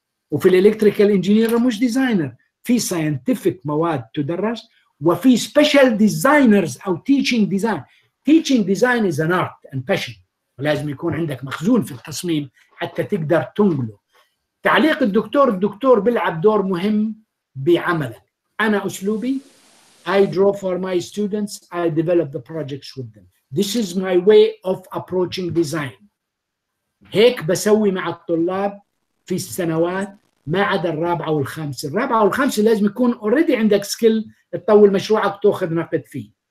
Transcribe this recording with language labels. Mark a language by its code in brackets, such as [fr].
[ar] وفي الإلكتريكال إنجينير مش ديزاينر في ساينتيفيك مواد تدرس وفي سبيشال ديزاينرز أو تيتشينج ديزاين تيتشينج ديزاين [en] is an art and passion [ar] لازم يكون عندك مخزون في التصميم حتى تقدر تنقله تعليق الدكتور بيلعب دور مهم بعمله أنا أسلوبي [en] I draw for my students, I develop the projects with them. This is my way of approaching design. [ar] هيك بسوي مع الطلاب في السنوات ما عدا الرابعة والخامسة. الرابعة والخامسة لازم يكون already عندك سكيل تطول مشروعك تأخذ نقد فيه.